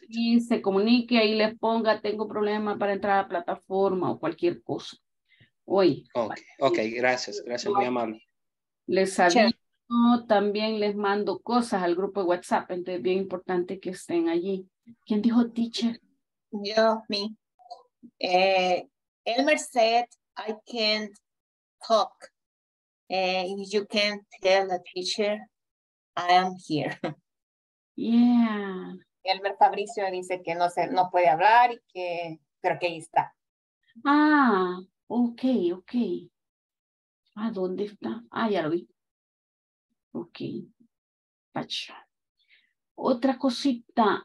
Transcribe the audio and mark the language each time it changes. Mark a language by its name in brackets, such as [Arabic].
[Spanish] Y se comunique y les ponga, tengo problema para entrar a la plataforma o cualquier cosa. Oye. Okay, gracias. Gracias, muy amable. Les aviso, también les mando cosas al grupo de WhatsApp, entonces es bien importante que estén allí. ¿Quién dijo teacher? Yo, me. [English] Elmer said, I can't talk, and you can tell the teacher I am here. Yeah. [Spanish] Elmer Fabricio dice que no puede hablar y que, pero que ahí está. Ah, ok. Ah, ¿dónde está? Ah, ya lo vi. Ok. Pacha. Otra cosita.